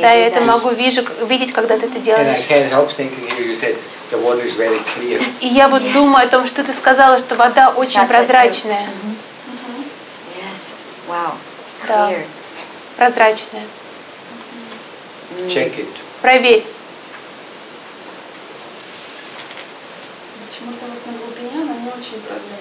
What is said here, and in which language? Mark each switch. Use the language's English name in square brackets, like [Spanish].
[Russian] Да, я это могу видеть, когда ты это делаешь. [English] And I can't help thinking here, you said the water is very clear. [Russian] И я вот думаю о том, что ты сказала, что вода очень прозрачная. [English] Yes, wow, clear. [Russian] Да, прозрачная. [English] Check it. [Russian] Проверь. Почему-то вот на глубине она не очень прозрачная.